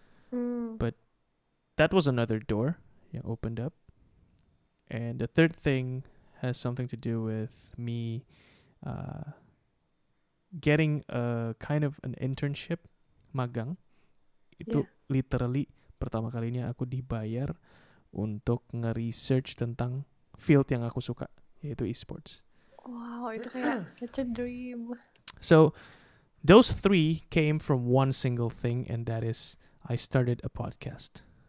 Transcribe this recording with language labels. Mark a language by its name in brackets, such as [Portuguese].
[English] But that was another door yang opened up. And the third thing has something to do with me getting a kind of an internship, magang. [Indonesian] Itu literally pertama kalinya aku dibayar untuk nge-research tentang field yang aku suka, yaitu esports. [English] Wow, [Indonesian] itu kayak [English] such a dream. So, those three came from one single thing, and that is I started a podcast.